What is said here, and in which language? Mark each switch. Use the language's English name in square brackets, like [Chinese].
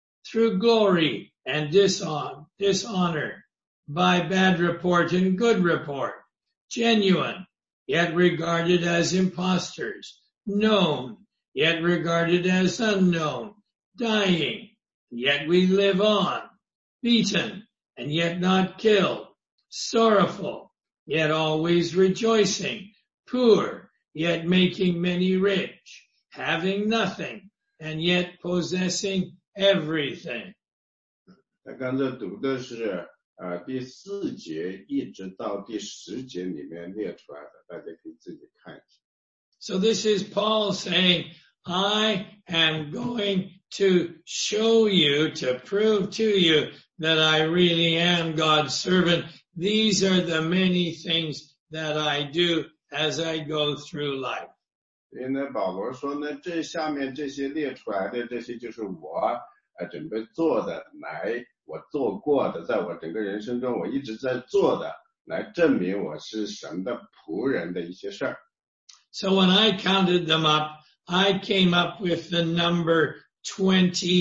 [English] through glory and dishonor, by bad report and good report, genuine, yet regarded as impostors, known, yet regarded as unknown, dying, yet we live on, beaten, and yet not killed, sorrowful, yet always rejoicing, poor, yet making many rich, having nothing, and yet possessing everything. [Chinese] 他刚才读的是第四节一直到第十节里面列出来的，大家可以自己看一下。 [English] So this is Paul saying, I am going to show you, to prove to you that I really am God's servant. These are the many things that I do as I go through life. [Chinese] 因为保罗说呢，这下面这些列出来的这些就是我准备做的，来我做过的，在我整个人生中我一直在做的，来证明我是神的仆人的一些事儿。 [English] So when I counted them up, I came up with the number 28.